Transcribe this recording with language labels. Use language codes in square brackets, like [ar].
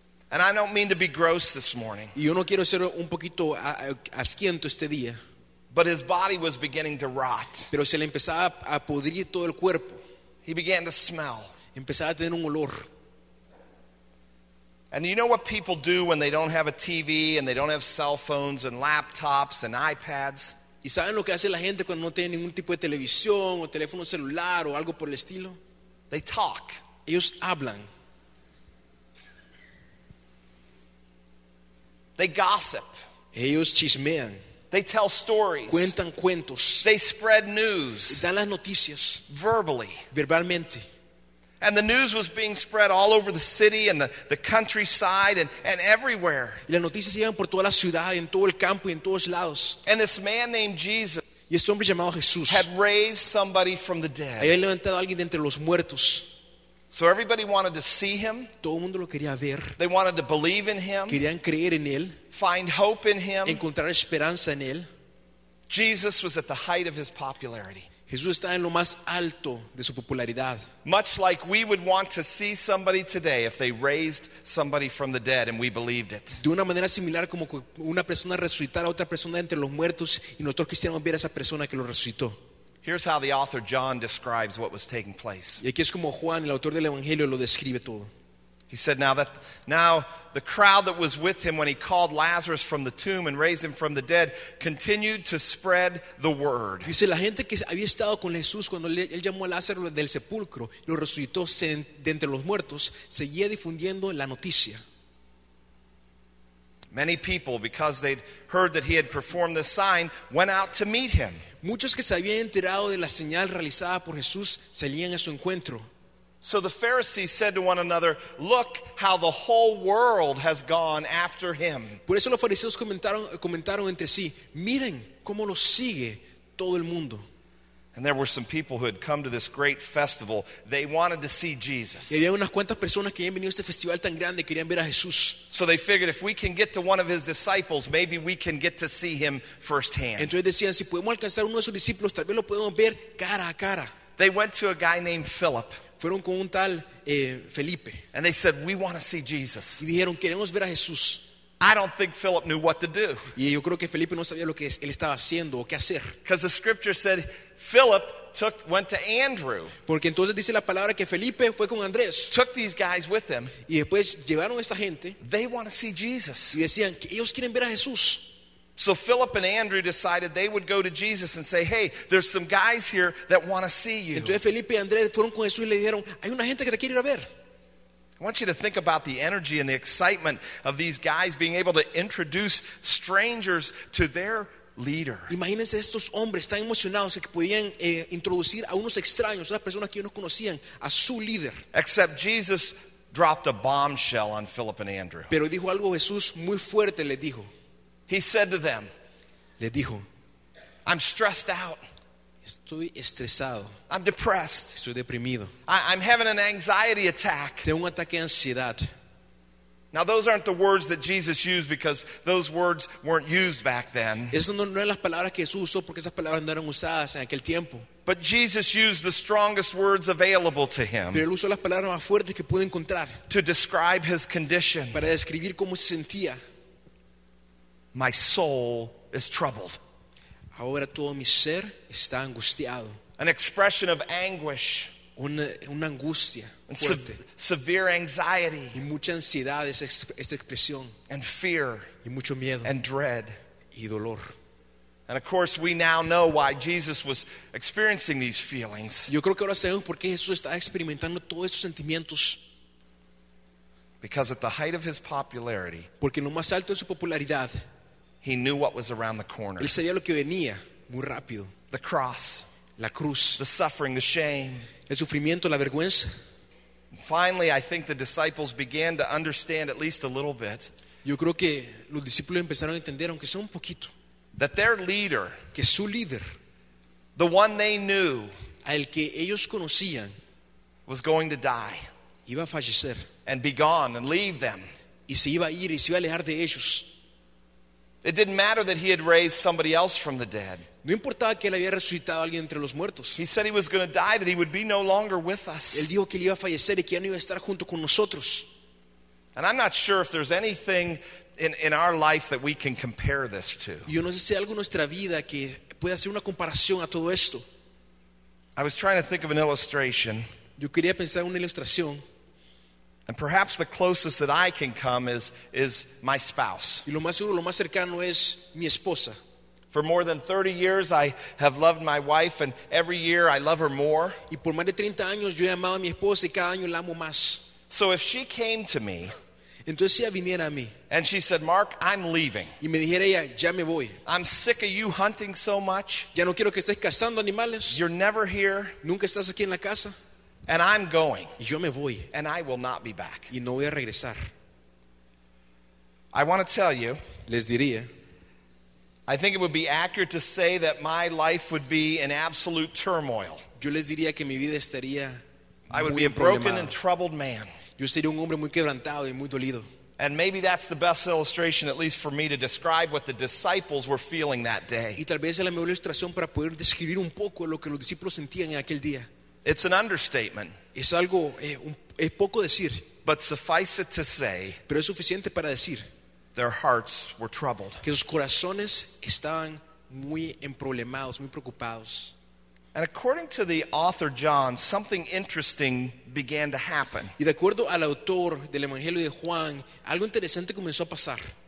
[en] And I don't mean to be gross this morning. [es] Y yo no quiero ser un poquito asquiento este día. [en] But his body was beginning to rot. [es] Pero se le empezaba a pudrir todo el cuerpo. [en] He began to smell. [es] Empezaba a tener un olor. [en] And you know what people do when they don't have a TV and they don't have cell phones and laptops and iPads? [es] ¿Y saben lo que hace la gente cuando no tiene ningún tipo de televisión o teléfono celular o algo por el estilo? [en] They talk. [es] Ellos hablan. [en] They gossip. [es] Ellos chismean. [en] They tell stories. [es] Cuentan cuentos. [en] They spread news. [es] Dan las noticias. [en] Verbally. [es] Verbalmente. [en] And the news was being spread all over the city and the countryside and everywhere. [es] Y las noticias iban por toda la ciudad, en todo el campo y en todos lados. [en] And this man named Jesus, [es] y este hombre llamado Jesús, [en] had raised somebody from the dead. [es] Había levantado a alguien de entre los muertos. [en] So everybody wanted to see him. [es] Todo el mundo lo quería ver. [en] They wanted to believe in him. [es] Querían creer en él. [en] Find hope in him. [es] Encontrar esperanza en él. [en] Jesus was at the height of his popularity. [es] Jesús está en lo más alto de su popularidad. [en] Much like we would want to see somebody today if they raised somebody from the dead and we believed it. [es] De una manera similar como una persona resucitar a otra persona entre los muertos y nosotros quisiéramos ver a esa persona que lo resucitó. [en] Here's how the author John describes what was taking place. [es] Y aquí es como Juan, el autor del evangelio, lo describe todo. [en] He said, now the crowd that was with him when he called Lazarus from the tomb and raised him from the dead continued to spread the word. [es] Dice, la gente que había estado con Jesús cuando él llamó a Lázaro del sepulcro y lo resucitó de entre los muertos, seguía difundiendo la noticia. [en] Many people, because they'd heard that he had performed this sign, went out to meet him. [es] Muchos que se habían enterado de la señal realizada por Jesús salían a su encuentro. [en] So the Pharisees said to one another, "Look how the whole world has gone after him." [es] Por eso los fariseos comentaron entre sí, "Miren cómo lo sigue todo el mundo." [en] And there were some people who had come to this great festival. They wanted to see Jesus. [es] Y había unas cuantas personas que habían venido a este festival tan grande, querían ver a Jesús. [en] So they figured, if we can get to one of his disciples, maybe we can get to see him firsthand. [es] Entonces decían, si podemos alcanzar uno de sus discípulos, tal vez lo podemos ver cara a cara. [en] They went to a guy named Philip. [es] Fueron con un tal Felipe. [en] And they said, "We want to see Jesus." [es] Y dijeron, queremos ver a Jesús. [en] I don't think Philip knew what to do. [es] Y yo creo que Felipe no sabía lo que él estaba haciendo o qué hacer. [en] Because the scripture said Philip went to Andrew. [es] Porque entonces dice la palabra que Felipe fue con Andrés. [en] Took these guys with him. [es] Y después llevaron a esta gente. [en] They want to see Jesus. [es] Y decían que ellos quieren ver a Jesús. [en] So Philip and Andrew decided they would go to Jesus and say, "Hey, there's some guys here that want to see you." [es] Entonces Felipe y Andrés fueron con Jesús y le dijeron, "Hay una gente que te quiere ir a ver." [en] I want you to think about the energy and the excitement of these guys being able to introduce strangers to their leader. [es] Imagínense estos hombres tan emocionados que podían introducir a unos extraños, unas personas que ellos no conocían, a su líder. [en] Except Jesus dropped a bombshell on Philip and Andrew. [es] Pero dijo algo Jesús muy fuerte, les dijo. [en] He said to them, [es] les dijo, [en] I'm stressed out. [es] Estoy estresado. [en] I'm depressed. [es] Estoy deprimido. [en] I'm having an anxiety attack. [es] Tengo un ataque de ansiedad. [en] Now those aren't the words that Jesus used because those words weren't used back then. [es] Esas no eran las palabras que Jesús usó porque esas palabras no eran usadas en aquel tiempo. [en] But Jesus used the strongest words available to him. [es] Pero él usó las palabras más fuertes que pudo encontrar. [en] To describe his condition. [es] Para describir cómo se sentía. [en] My soul is troubled. [es] Ahora todo mi ser está angustiado. [en] An expression of anguish. [es] Una angustia fuerte. [en] Severe anxiety. [es] Y mucha ansiedad, esta expresión. [en] And fear. [es] Y mucho miedo. [en] And dread. [es] Y dolor. [en] And of course we now know why Jesus was experiencing these feelings. [es] Yo creo que ahora sabemos por qué Jesús estaba experimentando todos estos sentimientos. [en] Because at the height of his popularity. [es] Porque en lo más alto de su popularidad. [en] He knew what was around the corner. [es] Él sabía lo que venía muy rápido. [en] The cross. [es] La cruz. [en] The suffering, the shame. [es] El sufrimiento, la vergüenza. [en] Finally, I think the disciples began to understand at least a little bit. [es] Yo creo que los discípulos empezaron a entender, aunque sea un poquito. [en] That their leader, [es] que su líder, [en] the one they knew, [es] al que ellos conocían, [en] was going to die, [es] iba a fallecer, [en] and be gone and leave them. [es] Y se iba a ir y se iba a alejar de ellos. [en] It didn't matter that he had raised somebody else from the dead. [es] No importaba que él había resucitado a alguien entre los muertos. [en] He said he was going to die, that he would be no longer with us. [es] Él dijo que él iba a fallecer y que ya no iba a estar junto con nosotros. [en] And I'm not sure if there's anything in our life that we can compare this to. [es] Yo no sé si hay algo en nuestra vida que pueda hacer una comparación a todo esto. [en] I was trying to think of an illustration. [es] Yo quería pensar en una ilustración. [en] And perhaps the closest that I can come is my spouse. [es] Y lo más seguro, lo más cercano es mi esposa. [en] For more than 30 years I have loved my wife and every year I love her more. [es] Y por más de 30 años yo he amado a mi esposa y cada año la amo más. [en] So if she came to me, [es] entonces si ella viniera a mí, [en] and she said, Mark, I'm leaving. [es] Y me dijera ella, ya me voy. [en] I'm sick of you hunting so much. [es] Ya no quiero que estés cazando animales. [en] You're never here. [es] Nunca estás aquí en la casa. [en] And I'm going. [es] Y yo me voy. [en] And I will not be back. [es] Y no voy a regresar. [en] I want to tell you. [es] Les diría. [en] I think it would be accurate to say that my life would be in absolute turmoil. [es] Yo les diría que mi vida estaría [en] I would be a broken and troubled man. [es] Yo sería un hombre muy quebrantado y muy dolido. [en] And maybe that's the best illustration, at least for me, to describe what the disciples were feeling that day. [es] Y tal vez es la mejor ilustración para poder describir un poco lo que los discípulos sentían en aquel día. [en] It's an understatement. [es] Es algo, es poco decir. [en] But suffice it to say, [es] pero es suficiente para decir, [en] their hearts were troubled. [es] Que sus corazones estaban muy emproblemados, muy preocupados. [en] And according to the author John, something interesting began to happen. [es] Y de acuerdo al autor del Evangelio de Juan, algo interesante comenzó a pasar.